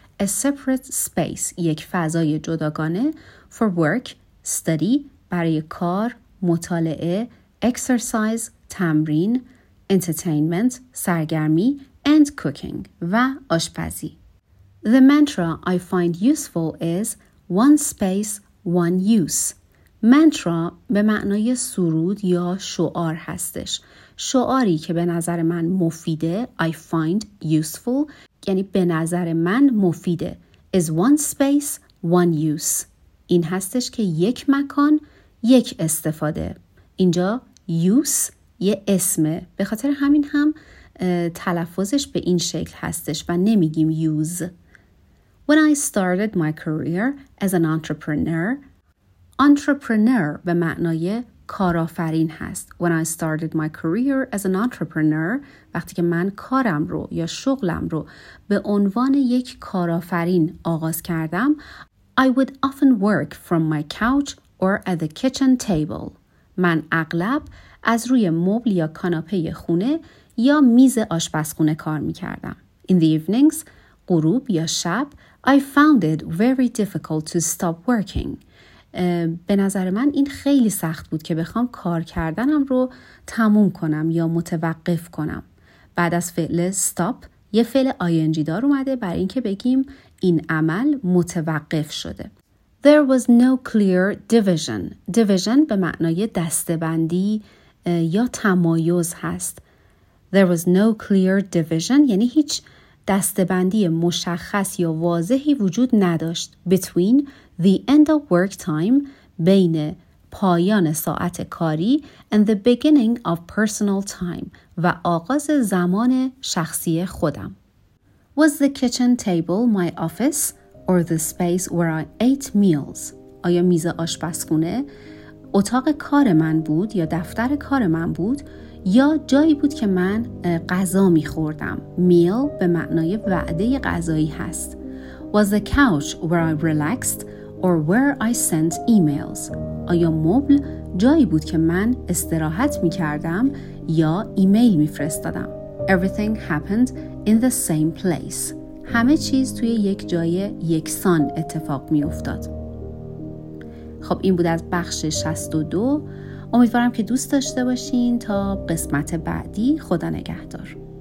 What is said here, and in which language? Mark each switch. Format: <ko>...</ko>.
<en>A separate space</en> <fa>یک فضای جداگانه</fa> <en>for work, study</en> <fa>برای کار، مطالعه،</fa> <en>exercise</en> <fa>تمرین،</fa> <en>entertainment</en> <fa>سرگرمی</fa> <en>and cooking</en> <fa>و آشپزی.</fa> <en>The mantra I find useful is one space, one use.</en> <fa>مانترا به معنای سرود یا شعار هستش. شعاری که به نظر من مفیده</fa> <en>I find useful</en> <fa>یعنی به نظر من مفیده</fa> <en>is one space, one use.</en> <fa>این هستش که یک مکان یک استفاده. اینجا use یه اسمه. به خاطر همین هم تلفظش به این شکل هستش و نمیگیم use.</fa> <en>When I started my career as an entrepreneur, entrepreneur</en> <fa>به معنای کارآفرین هست.</fa> <en>When I started my career as an entrepreneur,</en> <fa>وقتی که من کارم رو یا شغلم رو به عنوان یک کارآفرین آغاز کردم,</fa> <en>I would often work from my couch or at the kitchen table.</en> <fa>من اغلب از روی مبل یا کاناپه خونه یا میز آشپزخونه کار می‌کردم.</fa> <en>In the evenings,</en> <fa>غروب یا شب,</fa> <en>I found it very difficult to stop working.</en> <fa>به نظر من این خیلی سخت بود که بخوام کار کردنم رو تموم کنم یا متوقف کنم. بعد از فعل stop یه فعل ing دار اومده برای این که بگیم این عمل متوقف شده.</fa> <en>There was no clear division.</en> <fa>Division به معنای دستبندی یا تمایز هست.</fa> <en>There was no clear division</en> <fa>یعنی هیچ دستبندی مشخص یا واضحی وجود نداشت.</fa> <en>Between the end of work time</en> <fa>بین پایان ساعت کاری</fa> <en>and the beginning of personal time</en> <fa>و آغاز زمان شخصی خودم.</fa> <en>Was the kitchen table my office or the space where I ate meals؟</en> <fa>آیا میز آشپزخونه اتاق کار من بود یا دفتر کار من بود یا جایی بود که من غذا می‌خوردم؟ Meal به معنای وعده غذایی هست.</fa> <en>Was the couch where I relaxed or where I sent emails؟</en> <fa>آیا مبل جایی بود که من استراحت می‌کردم یا ایمیل می‌فرستادم؟</fa> <en>Everything happened in the same place.</en> <fa>همه چیز توی یک جای یکسان اتفاق می‌افتاد. خب این بود از بخش 62. امیدوارم که دوست داشته باشین. تا قسمت بعدی خدا نگهدار.</fa>